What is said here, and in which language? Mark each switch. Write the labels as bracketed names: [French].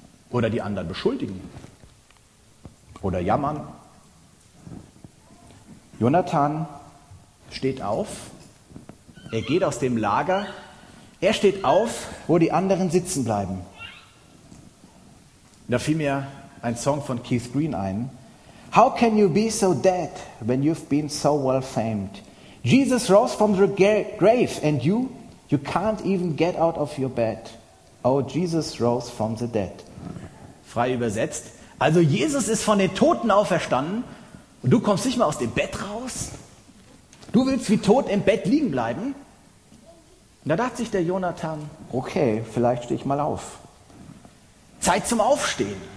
[German] Oder die anderen beschuldigen. Oder jammern. Jonathan steht auf. Er geht aus dem Lager. Er steht auf, wo die anderen sitzen bleiben. Da fiel mir ein Song von Keith Green ein. [English] How can you be so dead when you've been so well famed? Jesus rose from the grave and you can't even get out of your bed. Oh, Jesus rose from the dead. [German] Frei übersetzt. Also Jesus ist von den Toten auferstanden und du kommst nicht mal aus dem Bett raus? Du willst wie tot im Bett liegen bleiben? Und da dachte sich der Jonathan, okay, vielleicht stehe ich mal auf. Zeit zum Aufstehen.